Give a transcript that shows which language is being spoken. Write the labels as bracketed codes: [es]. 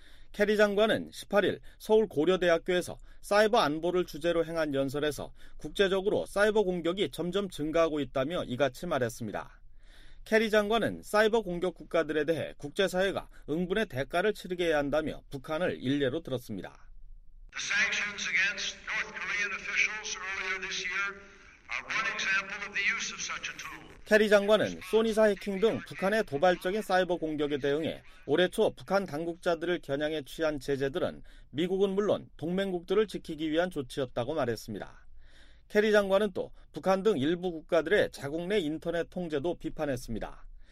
[ko] 케리 장관은 18일 서울 고려대학교에서 사이버 안보를 주제로 행한 연설에서 국제적으로 사이버 공격이 점점 증가하고 있다며 이같이 말했습니다. 캐리 장관은 사이버 공격 국가들에 대해 국제사회가 응분의 대가를 치르게 해야 한다며 북한을 일례로 들었습니다. [en] The sanctions against North Korean officials earlier this year are one example of the use of such a tool. [ko] 캐리 장관은 소니사 해킹 등 북한의 도발적인 사이버 공격에 대응해 올해 초 북한 당국자들을 겨냥해 취한 제재들은 미국은 물론 동맹국들을 지키기 위한 조치였다고 말했습니다. 캐리 장관은 또 북한 등 일부 국가들의 자국 내 인터넷 통제도 비판했습니다.